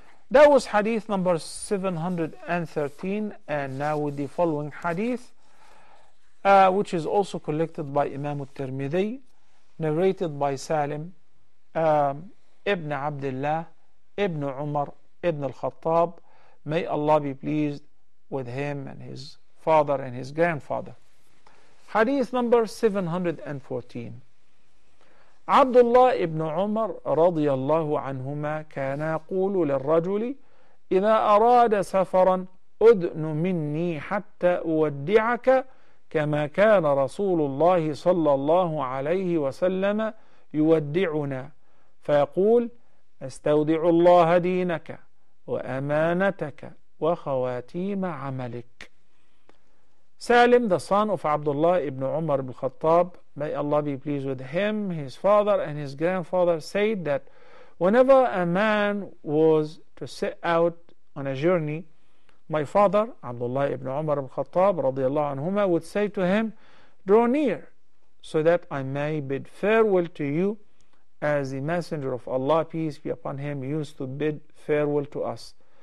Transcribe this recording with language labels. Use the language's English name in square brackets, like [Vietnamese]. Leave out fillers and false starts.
[English] That was hadith number 713, and now with the following hadith, which is also collected by Imam al-Tirmidhi, narrated by Salim ibn Abdullah ibn Umar ibn al-Khattab, may Allah be pleased with him and his father and his grandfather. Hadith number 714. [Arabic] عبد الله بن عمر رضي الله عنهما كان يقول للرجل إذا أراد سفرا أدن مني حتى أودعك كما كان رسول الله صلى الله عليه وسلم يودعنا فيقول أستودع الله دينك وأمانتك وخواتيم عملك. [English] Salim, the son of Abdullah ibn Umar ibn Khattab, may Allah be pleased with him, his father and his grandfather, said that whenever a man was to set out on a journey, my father, Abdullah ibn Umar ibn Khattab, radiallahu anhuma, would say to him, draw near so that I may bid farewell to you, as the Messenger of Allah, peace be upon him, used to bid farewell to us.